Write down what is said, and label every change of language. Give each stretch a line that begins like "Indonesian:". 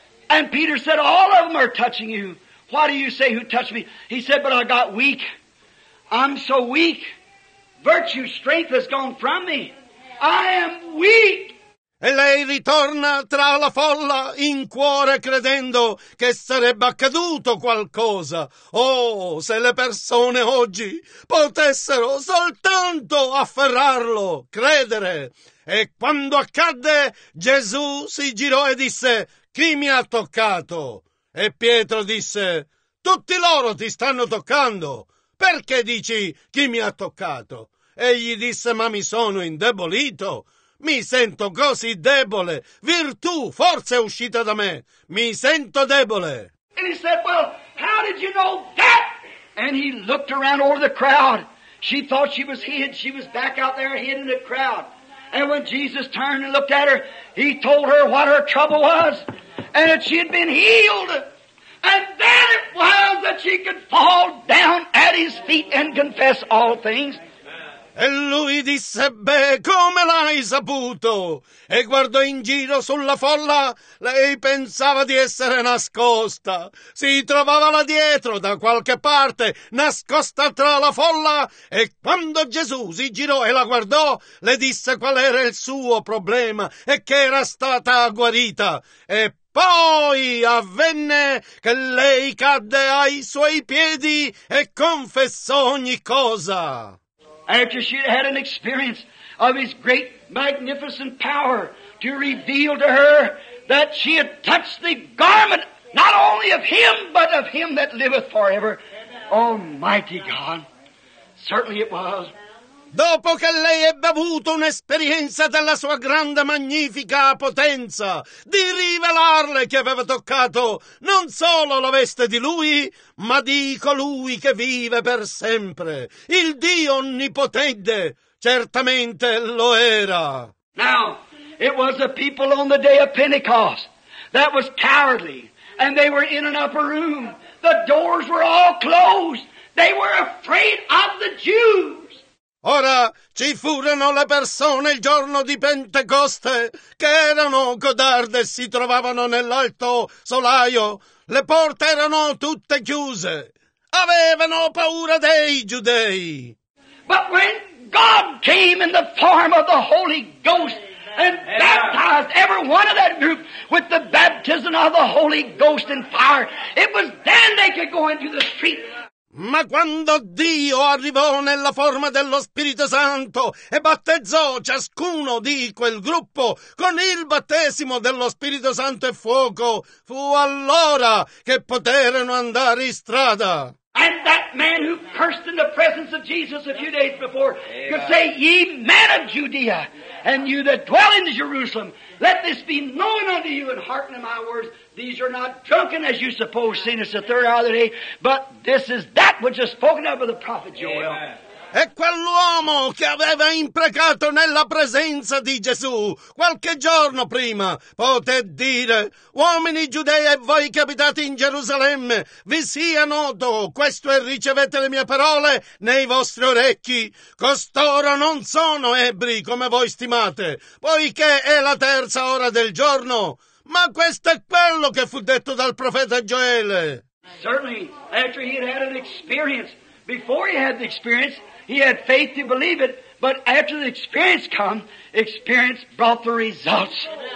English: And Peter said, all of them are touching you. Why do you say who touched me? He said, but I got weak. I'm so weak. Virtue, strength has gone from me. I am weak.
Italian: E lei ritorna tra la folla in cuore credendo che sarebbe accaduto qualcosa. Oh, se le persone oggi potessero soltanto afferrarlo, credere. E quando accadde, Gesù si girò e disse, chi mi ha toccato? E Pietro disse, tutti loro ti stanno toccando. Perché dici, chi mi ha toccato? Egli disse, ma mi sono indebolito, mi sento così debole, virtù, forza è uscita da me, mi sento debole.
English: And he said, well, how did you know that? And he looked around over the crowd. She thought she was hid, she was back out there hid in the crowd. And when Jesus turned and looked at her, he told her what her trouble was, and that she had been healed. And then it was that she could fall down at his feet and confess all things.
Italian: E lui disse, beh, come l'hai saputo? E guardò in giro sulla folla, lei pensava di essere nascosta. Si trovava là dietro, da qualche parte, nascosta tra la folla. E quando Gesù si girò e la guardò, le disse qual era il suo problema e che era stata guarita. E poi avvenne che lei cadde ai suoi piedi e confessò ogni cosa.
English: After she had had an experience of his great, magnificent power to reveal to her that she had touched the garment, not only of him, but of him that liveth forever. Almighty God. Certainly it was.
Italian: Dopo che lei ebbe avuto un'esperienza della sua grande magnifica potenza di rivelarle che aveva toccato non solo la veste di lui, ma di colui che vive per sempre, il Dio onnipotente, certamente lo era.
English: Now, it was the people on the day of Pentecost that was cowardly, and they were in an upper room. The doors were all closed. They were afraid of the Jews.
Italian: Ora, ci furono le persone il giorno di Pentecoste che erano codarde e si trovavano nell'alto solaio. Le porte erano tutte chiuse. Avevano paura dei giudei.
English: But when God came in the form of the Holy Ghost and baptized every one of that group with the baptism of the Holy Ghost and fire. It was then they could go into the street. Ma quando Dio arrivò nella forma dello Spirito Santo e battezzò ciascuno di quel gruppo con il battesimo dello Spirito Santo e fuoco, fu allora che poterono andare in strada. And that man who cursed in the presence of Jesus a few days before could say, ye men of Judea, and you that dwell in Jerusalem, let this be known unto you and hearken to my words. These are not drunken as you suppose, seeing us the third hour of the day, but this is that which is spoken of by the prophet Joel. Amen.
Italian: E quell'uomo che aveva imprecato nella presenza di Gesù qualche giorno prima poté dire: uomini giudei e voi che abitate in Gerusalemme, vi sia noto questo e ricevete le mie parole nei vostri orecchi. Costoro non sono ebri come voi stimate, poiché è la terza ora del giorno. Ma questo è quello che fu detto dal profeta Gioele.
English: Certainly, after he had an experience, before he had the experience, he had faith to believe it, but after the experience come, experience brought the results.